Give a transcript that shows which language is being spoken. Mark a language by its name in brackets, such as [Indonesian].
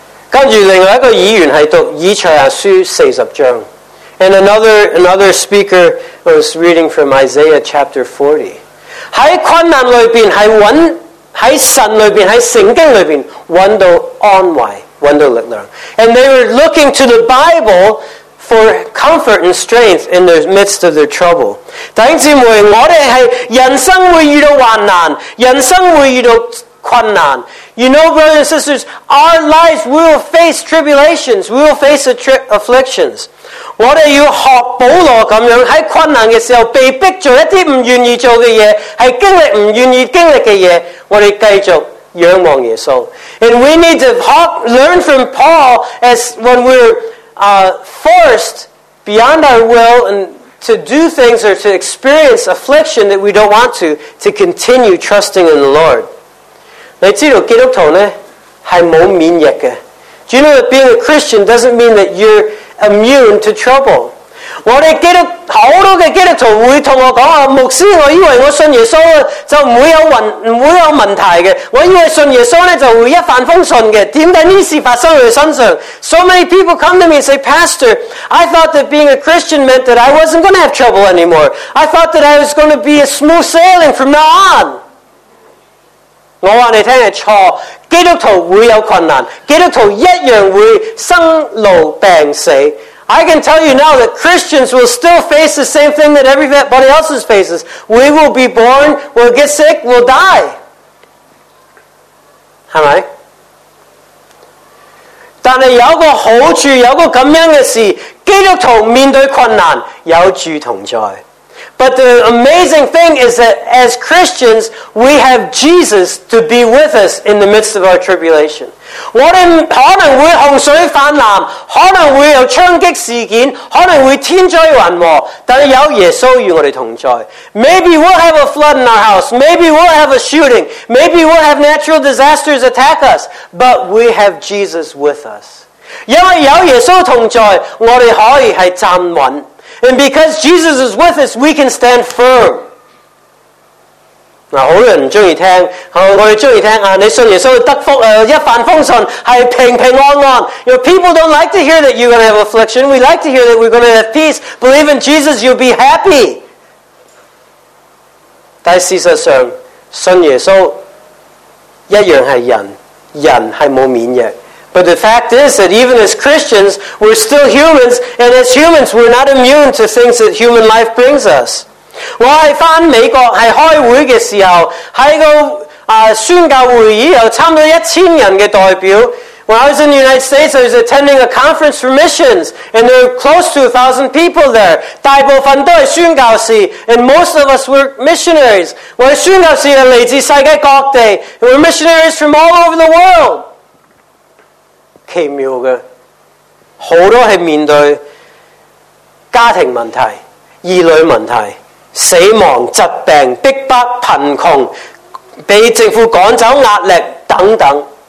[Chinese] 跟着另外一个议员是读以赛亚书40章。 [English] And another speaker was reading from Isaiah chapter 40. [Chinese] 在困难里面，在神里面，在圣经里面，找到安慰，找到力量。 [English] And they were looking to the Bible for comfort and strength in the midst of their trouble. [Chinese] 弟兄姊妹，我们是人生会遇到患难，人生会遇到困难。 [English] You know, brothers and sisters, our lives will face tribulations, will face afflictions. [Chinese] 我们要学保罗这样，在困难的时候被逼做一些不愿意做的事，是经历不愿意经历的事，我们继续仰望耶稣。 [English] And we need to learn from Paul as when we're forced beyond our will and to do things or to experience affliction that we don't want to continue trusting in the Lord. [Chinese] 你知道基督徒呢是没有免疫的。 [English] Do you know that being a Christian doesn't mean that you'reimmune to trouble. [Chinese] 我们基督好多的基督徒会跟我说，牧师，我以为我信耶稣就不会有问题的，我以为信耶稣就会一帆风顺的，为什么这事发生在我身上？ [English] So many people come to me and say, Pastor, I thought that being a Christian meant that I wasn't going to have trouble anymore. I thought that I was going to be a smooth sailing from now on. [Chinese] 我告诉你错，基督徒会有困难，基督徒一样会生老病死。 [English] I can tell you now that Christians will still face the same thing that everybody else faces. We will be born, we'll get sick, we'll die. [Chinese] 是吗？但是有个好处，有个这样的事，基督徒面对困难，有主同在。 [English] But the amazing thing is that as Christians, we have Jesus to be with us in the midst of our tribulation. [Chinese] 我们可能会洪水泛滥，可能会有枪击事件，可能会天灾人祸，但是有耶稣与我们同在。 [English] Maybe we'll have a flood in our house. Maybe we'll have a shooting. Maybe we'll have natural disasters attack us. But we have Jesus with us. [Chinese] 因为有耶稣同在，我们可以是站稳。 [English] And because Jesus is with us, we can stand firm. [Chinese] 很多人喜欢听，我们喜欢听，你信耶稣得福，一帆风顺，是平平安安。 [English] You know, people don't like to hear that you're going to have affliction. We like to hear that we're going to have peace. Believe in Jesus, you'll be happy. [Chinese] 但事实上，信耶稣一样是人，人是没有免疫。 [English] But the fact is that even as Christians, we're still humans, and as humans, we're not immune to things that human life brings us. [Chinese] 我在回美国是开会的时候，在一个宣教会议有差不多1000人的代表。 [English] When I was in the United States, I was attending a conference for missions, and there were close to 1,000 people there. [Chinese] 大部分都是宣教士， [English] and most of us were missionaries. [Chinese] 我的宣教士来自世界各地， [English] and we're missionaries from all over the world. [Chinese] 奇妙的，很多是面对家庭问题、儿女问题、死亡、疾病、逼迫、贫穷、被政府赶走、压力等等。